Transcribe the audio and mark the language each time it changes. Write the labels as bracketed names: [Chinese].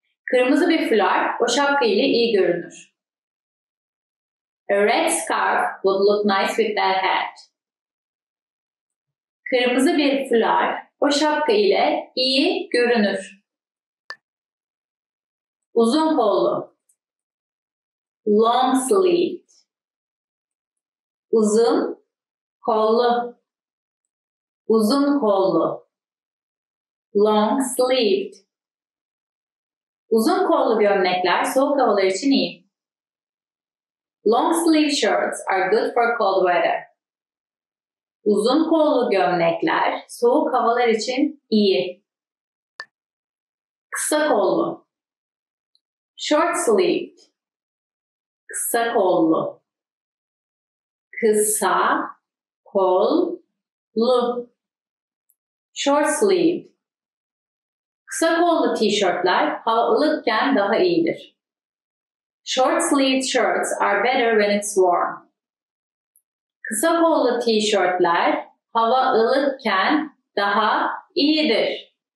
[Turkish] Kırmızı bir fular o şapka ile iyi görünür. [English] A red scarf would look nice with that hat. [Turkish] Kırmızı bir fular o şapka ile iyi görünür. Uzun kollu. Long sleeve. Uzun kollu. Uzun kollu. Long sleeve. Uzun kollu gömlekler soğuk havalar için iyi. [English] Long sleeve shirts are good for cold weather. [Turkish] Uzun kollu gömlekler soğuk havalar için iyi. Kısa kollu. Short sleeve. Kısa kollu. Kısa kollu. [English] Short sleeve. [Turkish] Kısa kollu t-shirtler hava ılıkken daha iyidir. [English] Short sleeve shirts are better when it's warm. [Turkish] Kısa kollu t-shirtler hava ılıkken daha iyidir.